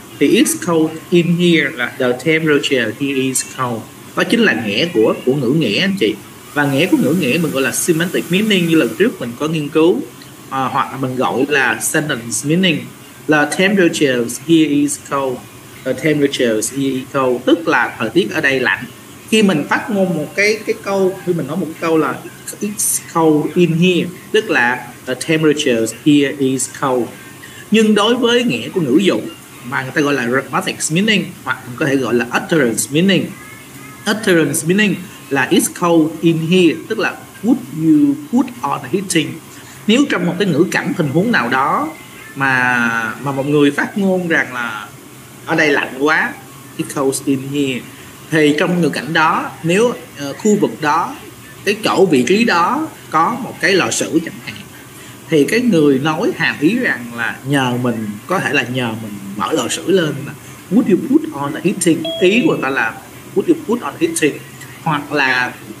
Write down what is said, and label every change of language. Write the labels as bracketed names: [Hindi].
[English] He is cold in here, [Vietnamese] là [English] the temperature he is cold. [Vietnamese] Đó chính là nghĩa của ngữ nghĩa anh chị. Và nghĩa của ngữ nghĩa mình gọi là semantic meaning, như lần trước mình có nghiên cứu. Hoặc là mình gọi là sentence meaning. [English] The temperature here is cold. The temperature here is cold, tức là thời tiết ở đây lạnh. [Vietnamese] Khi mình phát ngôn một cái câu, khi mình nói một câu là [English] it's cold in here, [Vietnamese] tức là [English] the temperature here is cold. [Vietnamese] Nhưng đối với nghĩa của ngữ dụng mà người ta gọi là grammatic meaning, hoặc mình có thể gọi là utterance meaning. [English] Utterance meaning là it's cold in here, [Vietnamese] tức là [English] would you put on the heating. [Vietnamese] Nếu trong một cái ngữ cảnh tình huống nào đó mà một người phát ngôn rằng là ở đây lạnh quá, [English] it's cold in here, [Vietnamese] thì trong ngữ cảnh đó, nếu khu vực đó, cái chỗ vị trí đó có một cái lò sưởi chẳng hạn, thì cái người nói hàm ý rằng là nhờ mình, có thể là nhờ mình mở lò sưởi lên, [English] would you put on the heating, [Vietnamese] ý của người ta là would you put on the heating, hoặc là